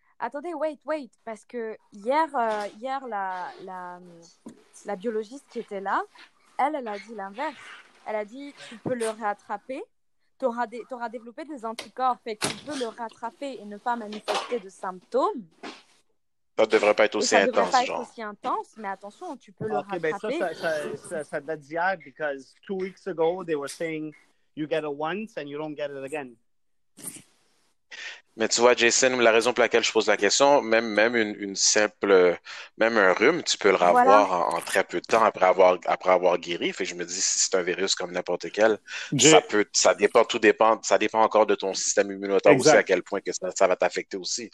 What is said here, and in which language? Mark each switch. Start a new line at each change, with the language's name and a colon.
French: Attendez,
English: wait,
French: parce que hier la biologiste qui était là, elle a dit l'inverse. Elle a dit, tu peux le rattraper, t'auras développé des anticorps, fait que tu peux le rattraper et ne pas manifester de symptômes. Ça devrait pas être aussi intense, genre. Ça devrait pas être aussi intense, mais attention, tu peux le rattraper.
English: OK,
French: ben ça date d'hier,
English: because 2 weeks ago, they were saying you get it once and you don't get it again.
French: Mais tu vois, Jason, la raison pour laquelle je pose la question, même un rhume, tu peux le ravoir en très peu de temps après avoir guéri. Fait que je me dis, si c'est un virus comme n'importe quel, ça dépend encore de ton système immunitaire, exact. Aussi, à quel point que ça va t'affecter aussi.